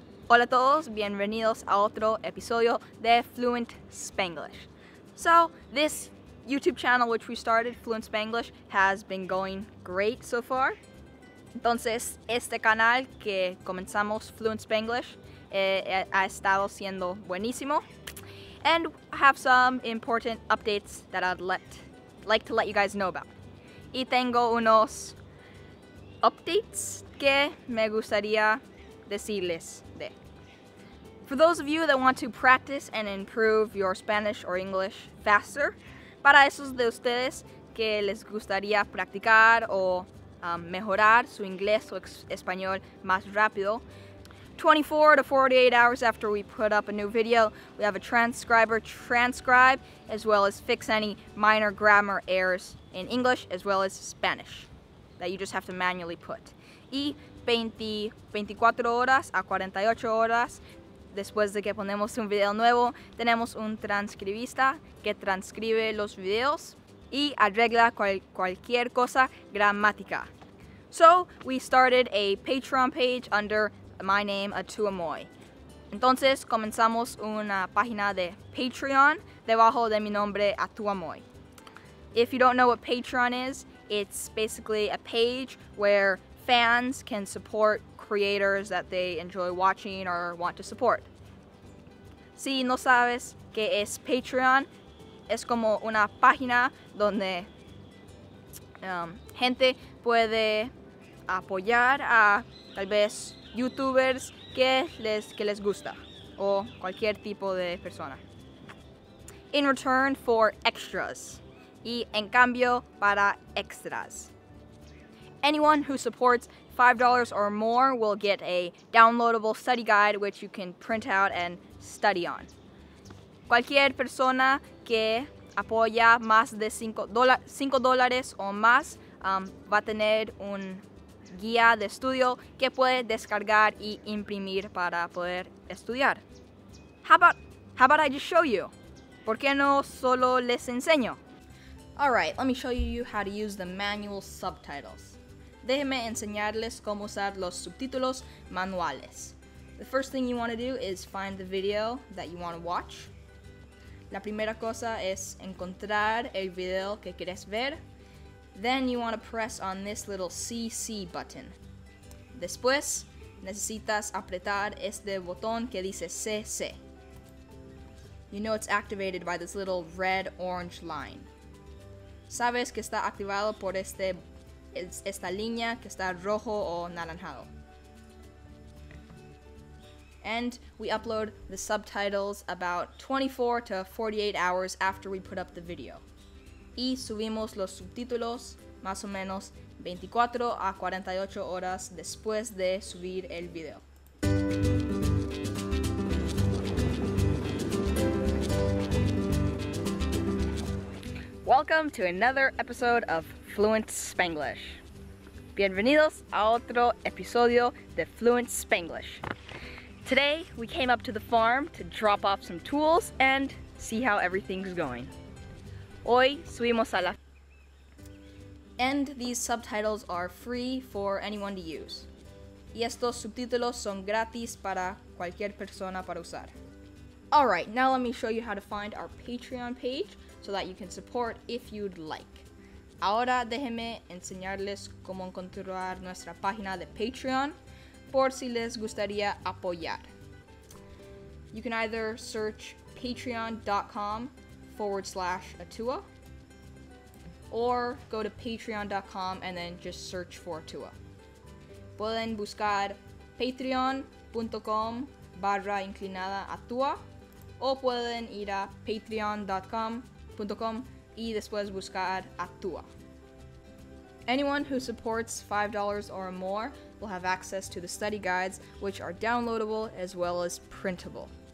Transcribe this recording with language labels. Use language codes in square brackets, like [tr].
[es] Hola a todos, bienvenidos a otro episodio de Fluent Spanglish. [en] So, this YouTube channel which we started, Fluent Spanglish, has been going great so far. [es] Entonces, este canal que comenzamos, Fluent Spanglish, ha estado siendo buenísimo. [en] And I have some important updates that I'd like to let you guys know about. [es] Y tengo unos updates que me gustaría decirles de. [en] For those of you that want to practice and improve your Spanish or English faster, [es] para esos de ustedes que les gustaría practicar o mejorar su inglés o español más rápido, [en] 24 to 48 hours after we put up a new video, we have a transcriber transcribe as well as fix any minor grammar errors in English as well as Spanish that you just have to manually put. [es] Y 24 horas a 48 horas después de que ponemos un video nuevo, tenemos un transcribista que transcribe los videos y arregla cualquier cosa gramática. [en] So, we started a Patreon page under my name, Atu Amoy. [es] Entonces, comenzamos una página de Patreon debajo de mi nombre, Atu Amoy. [en] If you don't know what Patreon is, it's basically a page where fans can support creators that they enjoy watching or want to support. [es] Si no sabes qué es Patreon, es como una página donde gente puede apoyar a tal vez YouTubers que les gusta o cualquier tipo de persona. [en] In return for extras. [es] Y en cambio para extras. [en] Anyone who supports $5 or more will get a downloadable study guide which you can print out and study on. [es] Cualquier persona que apoya más de $5 o más va a tener un guía de estudio que puede descargar y imprimir para poder estudiar. [en] How about I just show you? [es] ¿Por qué no solo les enseño? [en] Alright, let me show you how to use the manual subtitles. [es] Déjeme enseñarles cómo usar los subtítulos manuales. [en] The first thing you want to do is find the video that you want to watch. [es] La primera cosa es encontrar el video que quieres ver. [en] Then you want to press on this little CC button. [es] Después, necesitas apretar este botón que dice CC. [en] You know it's activated by this little red-orange line. [es] Sabes que está activado por esta línea que está rojo o naranjado. [en] And we upload the subtitles about 24 to 48 hours after we put up the video. [es] Y subimos los subtítulos más o menos 24 a 48 horas después de subir el video. [en] Welcome to another episode of Fluent Spanglish. [es] Bienvenidos a otro episodio de Fluent Spanglish. [en] Today, we came up to the farm to drop off some tools and see how everything's going. [es] Hoy subimos a la... [en] And these subtitles are free for anyone to use. [es] Y estos subtítulos son gratis para cualquier persona para usar. [en] Alright, now let me show you how to find our Patreon page so that you can support if you'd like. [es] Ahora déjeme enseñarles cómo encontrar nuestra página de Patreon por si les gustaría apoyar. [en] You can either search patreon.com/Atua or go to patreon.com and then just search for Atua. [es] Pueden buscar patreon.com/Atua o pueden ir a patreon.com y después buscar Atua. [en] Anyone who supports $5 or more will have access to the study guides, which are downloadable as well as printable.